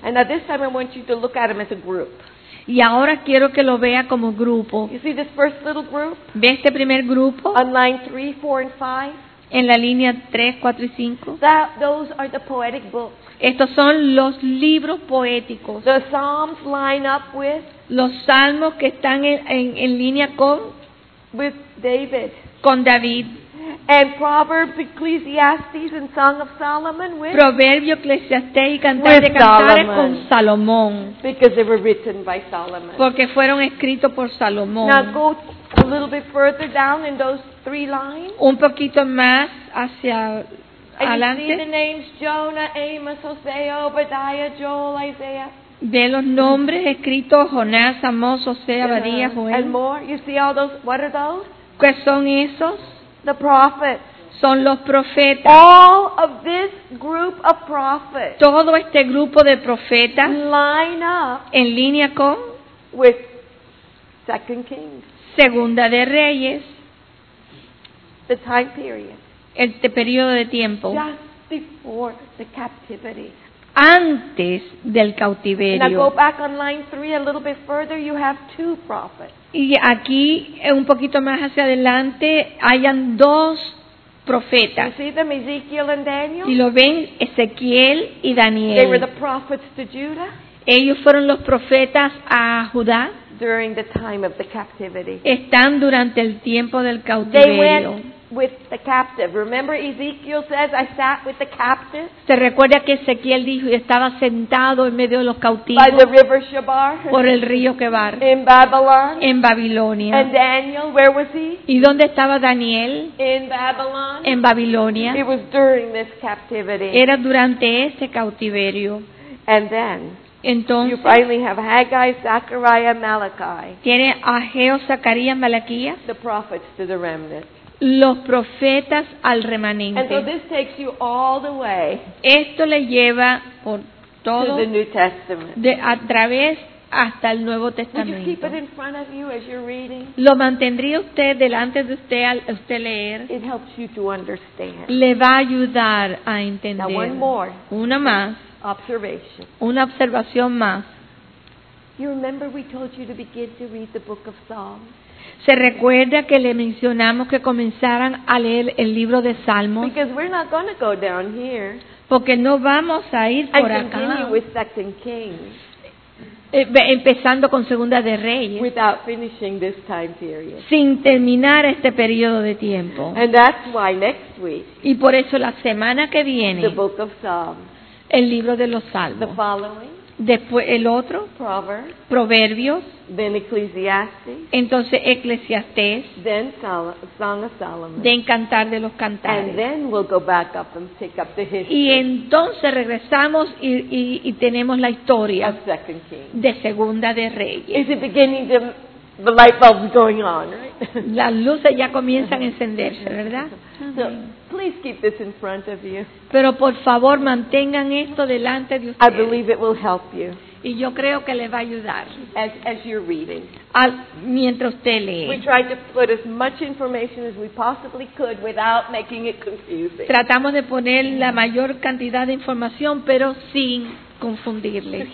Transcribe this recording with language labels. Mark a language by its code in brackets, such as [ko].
[en] And now this time I want you to look at them as a group. [es] Y ahora quiero que lo vea como grupo. [en] You see this first little group? [es] ¿Ve este primer grupo? [en] On line 3, 4, and 5. [es] En la línea 3, 4 y 5. [en] Those are the poetic books. [es] Estos son los libros poéticos. [en] The Psalms line up with. [es] Los salmos que están en línea con. [en] With David. [es] Con David. [en] And Proverbs, Ecclesiastes, and Song of Solomon with. [es] Proverbio, Eclesiastés y Cantar de Cantares con Salomón. [en] Because they were written by Solomon. [es] Porque fueron escritos por Salomón. [en] Now go a little bit further down in those 3 lines. [es] Un poquito más hacia adelante. [en] And you see the names Jonah, Amos, Hosea, Obadiah, Joel, Isaiah. [es] De los nombres escritos Jonás, Amós, Hosea, Abadía, Joel. [en] And more. You see all those. What are those? [es] ¿Qué son esos? [en] The prophets. [es] Son los profetas. [en] All of this group of prophets. [es] Todo este grupo de profetas. [en] Line up. [es] En línea con. [en] With Second Kings. [es] Segunda de Reyes. [en] The time period. [es] Este periodo de tiempo. [en] Just before the captivity. [es] Antes del cautiverio. [en] And I go back on line 3 a little bit further, you have two prophets. [es] Y aquí un poquito más hacia adelante hayan dos profetas. [en] You see them, Ezekiel and Daniel? [es] Y lo ven Ezequiel y Daniel. [en] They were the prophets to Judah. [es] Ellos fueron los profetas a Judá. [en] During the time of the captivity. [es] Están durante el tiempo del cautiverio. [en] With the captive. Remember Ezekiel says, I sat with the captive. [es] ¿Se recuerda que Ezequiel dijo estaba sentado en medio de los cautivos? [en] By the river Shebar. [es] Por el río Kebar. [en] In Babylon. [es] En Babilonia. [en] And Daniel, where was he? [es] ¿Y dónde estaba Daniel? [en] In Babylon. [es] En Babilonia. [en] It was during this captivity. [es] Era durante ese cautiverio. [en] And then. [es] Entonces, [en] you finally have Haggai, Zechariah, Malachi. [es] Tiene Ageo, Zacarías, Malaquías. [en] The prophets to the remnant. [es] Los profetas al remanente. [en] And so this takes you all the way. [es] Esto le lleva por todo. [en] To the New Testament. [es] De a través hasta el Nuevo Testamento. [en] Would you keep it in front of you as you're reading? [es] Lo mantendría usted delante de usted al usted leer. [en] It helps you to understand. [es] Le va a ayudar a entender. [en] Now one more. [es] Una más. [en] Observation. [es] Una observación más. [en] You remember we told you to begin to read the book of Psalms? [es] ¿Se recuerda que le mencionamos que comenzaran a leer el libro de Salmos? [en] Because we're not going to go down here. [es] Porque no vamos a ir por acá. [en] And continue with Second Kings. [es] Empezando con Segunda de Reyes. [en] Without finishing this time period. [es] Sin terminar este periodo de tiempo. [en] And that's why next week. [es] Y por eso la semana que viene. [en] The book of Psalms. [es] El libro de los Salmos. [en] The following. [es] Después el otro. [en] Proverbs. [es] Proverbios. [en] Then Ecclesiastes. [es] Entonces Eclesiastés. [en] Then Song of Solomon. Then [es] Cantar de los Cantares. [en] And then we'll go back up and pick up the history. [es] Y entonces regresamos y tenemos la historia. [en] Of Second Kings. [es] De Segunda de Reyes. [en] Is it beginning to the light bulbs going on, right? [es] Las luces ya comienzan a encenderse, ¿verdad? [en] So, please keep this in front of you. [es] Pero por favor, mantengan esto delante de ustedes. [en] I believe it will help you. [es] Y yo creo que le va a ayudar. [en] As you're reading. [es] Mientras usted lee. [en] We tried to put as much information as we possibly could without making it confusing. [es] Tratamos de poner la mayor cantidad de información, pero sin confundirles.